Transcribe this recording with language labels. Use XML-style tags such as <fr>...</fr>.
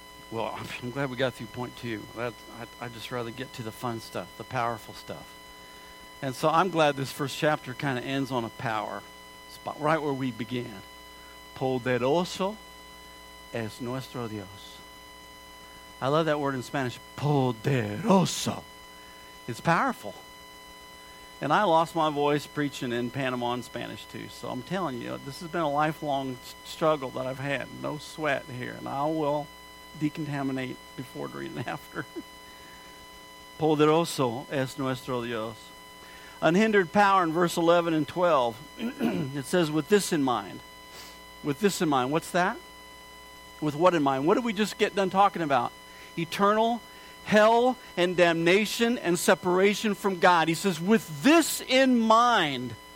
<en>Well, I'm glad we got through point two. I'd just rather get to the fun stuff, the powerful stuff. And so I'm glad this first chapter kind of ends on a power spot, right where we began.</en> <es>Poderoso es nuestro Dios.</es> <en>I love that word in Spanish, poderoso. It's powerful. And I lost my voice preaching in Panama in Spanish too. So I'm telling you, this has been a lifelong struggle that I've had. No sweat here. And I will decontaminate before, during, and after.</en> <es>Poderoso es nuestro Dios.</es> <en>Unhindered power in verse 11 and 12. It says, with this in mind. With this in mind. What's that? With what in mind? What did we just get done talking about? Eternal hell and damnation and separation from God. He says, with this in mind.</en>